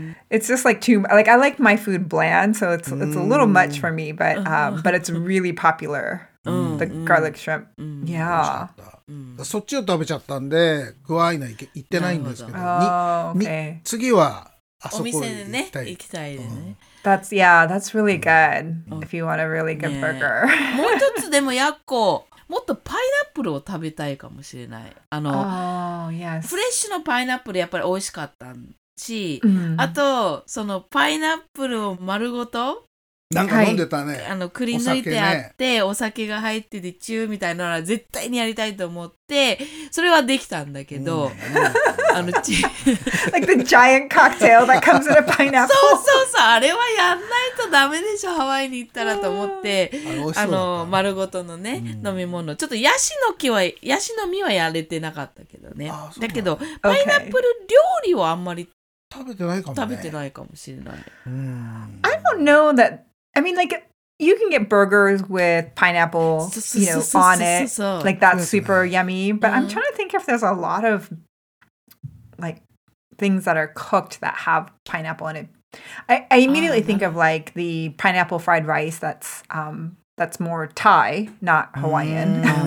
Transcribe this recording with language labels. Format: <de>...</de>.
<en>It's just like too like I like my food bland, so it's a little much for me, but it's really popular、</en> <ja>うん、</ja> <en>the garlic shrimp、</en> <ja>うん、</ja> <en>yeah、うん、</en> <ja>そっちを食べちゃったんで、クワイナ行ってないんですけど、</ja> <en>oh, okay.</en> <ja>次はあそこ行きたい。行きたいね。うん、</ja> <en>that's, yeah, that's really good.、Mm. If you want a really good、yeah. burger.</en> <ja>もう一つでもやっこ、もっとパイナップルを食べたいかもしれない。あの、</ja> <en>oh, yes.</en> <ja>フレッシュのパイナップルやっぱり美味しかったし、mm. あと、そのパイナップルを丸ごと、なんか飲んでたね、はい、あのくり抜いてあってお 酒、ね、お酒が入っててチューみたいなのは絶対にやりたいと思ってそれはできたんだけど、あのチュー</ja> <en>like the giant cocktail that comes in a pineapple</en> <ja>そうそうそう、あれはやんないとダメでしょハワイに行ったらと思ってあの丸ごとのね、うん、飲み物ちょっとヤシの木はヤシの実はやれてなかったけどね、だけど、</ja> <en>okay.</en> <ja>パイナップル料理はあんまり食べてないかも、ね、食べてないかもしれない、うん、</ja> <en>I don't know thatI mean, like, you can get burgers with pineapple, you know, on it. Like, that's super yummy. But I'm trying to think if there's a lot of, like, things that are cooked that have pineapple in it. I immediately think of, like, the pineapple fried rice that's more Thai, not Hawaiian.</en>